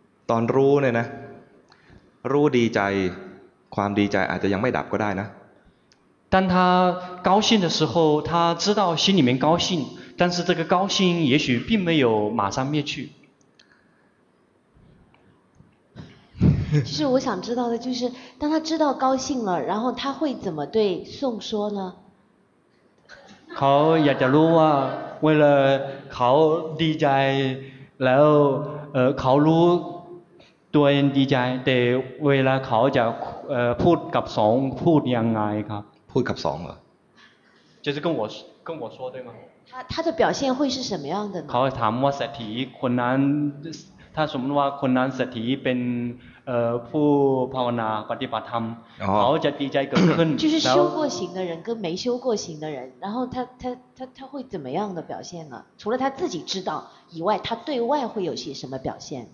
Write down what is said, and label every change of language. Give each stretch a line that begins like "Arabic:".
Thai: ตอนรู้เนี่ยนะรู้ดีใจความดีใจอาจจะยังไม่ดับก็ได้นะ
Chinese: 当他高兴的时候他知道心里面高兴但是这个高兴也许并没有马上灭去就是我想知道的就是当他知道高兴了然后他会怎么对宋说呢
Thai: เขาอยากจะรู้ว่า
Chinese: 为了
Thai: เขาดีใจแล้วเขารู้ตัวเองดีใจแต่เวลาเขาจะพูดกับสองพูดยังไงครับ พูดกับสองเหร
Chinese: อ就是跟我说对吗他的表现会是什么样的呢
Thai: เขาถามว่าสติคนนั้นถ้าสมมติว่าคนนั้นสติเป็นผู้ภาวนาปฏิบัติธรรมเขาจะดีใจเกิดขึ้น
Chinese: 就是修过行的人跟没修过行的人然后他会怎么样的表现呢除了他自己知道以外他对外会有些什么表现